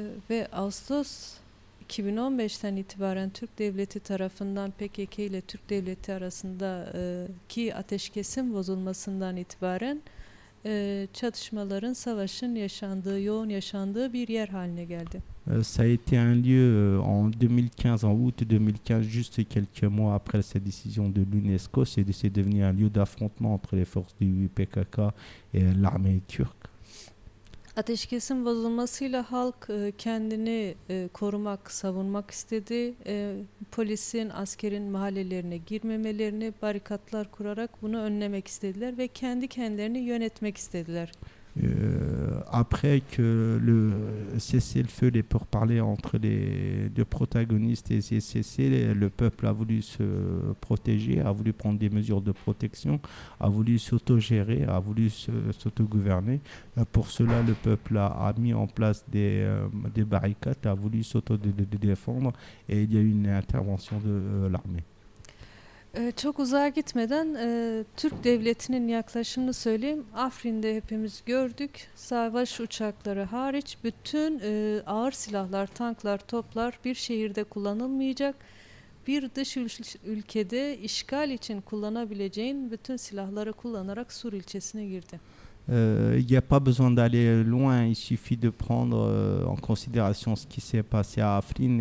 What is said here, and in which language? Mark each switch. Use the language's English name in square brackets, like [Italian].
[Turkish] Ve Ağustos 2015'ten itibaren Türk Devleti tarafından PKK ile Türk Devleti arasındaki ateşkesin bozulmasından itibaren çatışmaların, savaşın yaşandığı, yoğun yaşandığı bir yer haline geldi. [French] Ça a été un lieu en 2015, en août 2015, juste quelques mois après cette décision de l'UNESCO, c'est devenu un lieu d'affrontement entre les forces du PKK et l'armée turque. [Turkish] Ateşkesin bozulmasıyla halk kendini korumak, savunmak istedi. Polisin, askerin mahallelerine girmemelerini, barikatlar kurarak bunu önlemek istediler ve kendi kendilerini yönetmek istediler. [French] Après que le cessez-le-feu, les pourparlers entre les deux protagonistes aient cessé, le peuple a voulu se protéger, a voulu prendre des mesures de protection, a voulu s'autogérer, a voulu s'autogouverner. Pour cela, le peuple a mis en place des barricades, a voulu s'autodéfendre et il y a eu une intervention de l'armée. [Turkish] Çok uzağa gitmeden Türk Devleti'nin yaklaşımını söyleyeyim. Afrin'de hepimiz gördük. Savaş uçakları hariç bütün ağır silahlar, tanklar, toplar bir şehirde kullanılmayacak. Bir dış ülkede işgal için kullanabileceğin bütün silahları kullanarak Sur ilçesine girdi. [French] Il n'y a pas besoin d'aller loin, il suffit de prendre en considération ce qui s'est passé à Afrin.